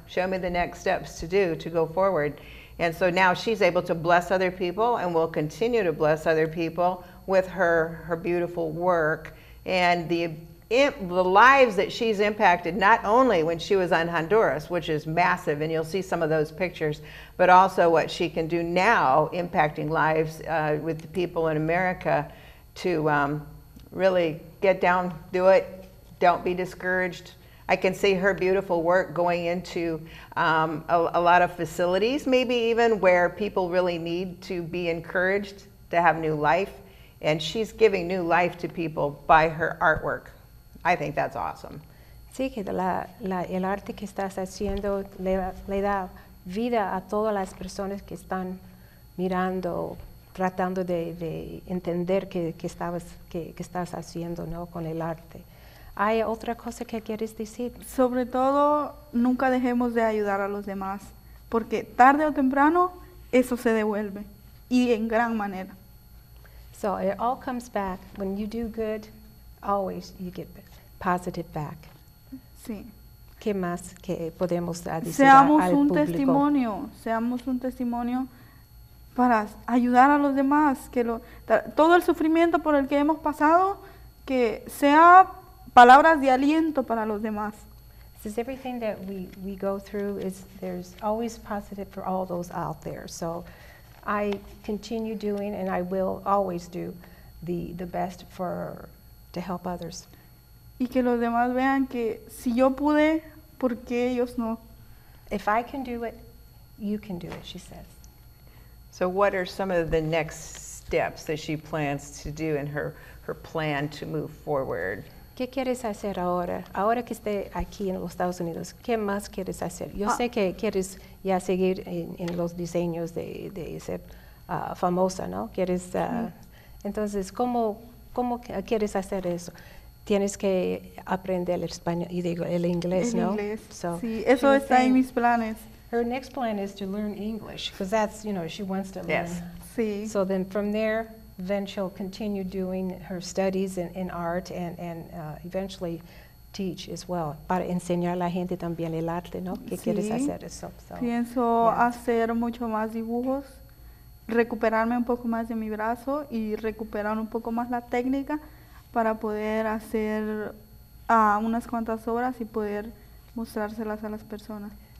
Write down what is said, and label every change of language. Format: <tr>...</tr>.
<en>Show me the next steps to do to go forward. And so now she's able to bless other people and will continue to bless other people with her beautiful work and the lives that she's impacted, not only when she was on Honduras, which is massive, and you'll see some of those pictures, but also what she can do now impacting lives with the people in America to really get down, do it, don't be discouraged. I can see her beautiful work going into a lot of facilities, maybe even where people really need to be encouraged to have new life, and she's giving new life to people by her artwork. I think that's awesome.</en> <es>Sí, que el arte que estás haciendo le da vida a todas las personas que están mirando, tratando de entender que estás haciendo, ¿no?, con el arte. ¿Hay otra cosa que quieres decir? Sobre todo, nunca dejemos de ayudar a los demás, porque tarde o temprano eso se devuelve, y en gran manera.</es> <en>So it all comes back. When you do good, always you get better. Positive back.</en> <es>Sí. ¿Qué más que podemos decir al público? Seamos un testimonio para ayudar a los demás. Todo el sufrimiento por el que hemos pasado, que sea palabras de aliento para los demás.</es> <en>Since everything that we go through, there's always positive for all those out there. So I continue doing, and I will always do the best to help others.</en> <es>Y que los demás vean que si yo pude, ¿por qué ellos no?</es> <en>If I can do it, you can do it, she says. So what are some of the next steps that she plans to do in her plan to move forward?</en> <es>¿Qué quieres hacer ahora? Ahora que esté aquí en los Estados Unidos, ¿qué más quieres hacer? Yo sé que quieres ya seguir en los diseños de ser famosa, ¿no? Quieres, entonces, ¿cómo quieres hacer eso? Tienes que aprender el español, y digo, el inglés, ¿no? El inglés, so, sí, eso está en mis planes.</es> <en>Her next plan is to learn English, because that's, you know, she wants to learn. Yes.</en> <es>Sí.</es> <en>So then from there, then she'll continue doing her studies in art and eventually teach as well.</en> <es>Para enseñar a la gente también el arte, ¿no? ¿Qué sí. quieres hacer eso? So, pienso hacer mucho más dibujos, recuperarme un poco más de mi brazo y recuperar un poco más la técnica para poder hacer unas cuantas obras y poder mostrárselas a las personas.</es>